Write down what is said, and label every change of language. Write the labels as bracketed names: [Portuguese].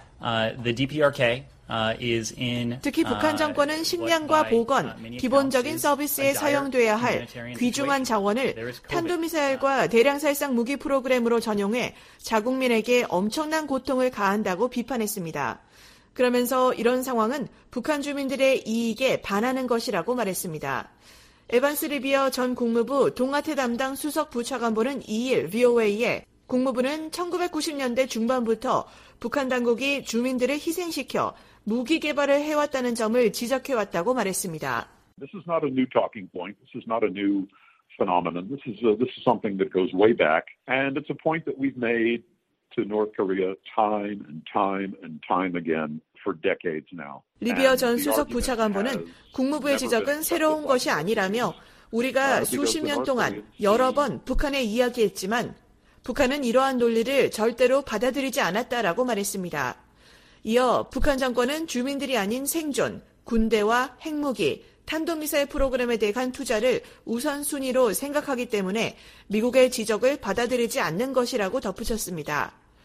[English] The DPRK is in [Korean] 특히 북한 정권은 식량과 보건, 기본적인 서비스에 사용돼야 할 귀중한 자원을 탄도미사일과 대량살상 무기 프로그램으로 전용해 자국민에게 엄청난 고통을 가한다고 비판했습니다. 그러면서 이런 상황은 북한 주민들의 이익에 반하는 것이라고 말했습니다. 에반스 리비어 전 국무부 동아태 담당 수석 부차관보는 2일 VOA에 국무부는 1990년대 중반부터 북한 당국이 주민들을 희생시켜 무기 개발을 해왔다는 점을 지적해왔다고 말했습니다. [English] This is not a new talking point. This is not a new phenomenon. This is something that goes way back. And it's a point that we've made. To North Korea time and time and time again for decades now. [Korean] 리비어 전 수석 부차관보는 국무부의 지적은 새로운 것이 아니라며 우리가 수십 년 동안 여러 번 북한에 이야기했지만 북한은 이러한 논리를 절대로 받아들이지 않았다라고 말했습니다. 이어 북한 정권은 주민들이 아닌 생존, 군대와 핵무기, 탄도미사일 프로그램에 대한 투자를 우선순위로 생각하기 때문에 미국의 지적을 받아들이지 않는 것이라고 덧붙였습니다.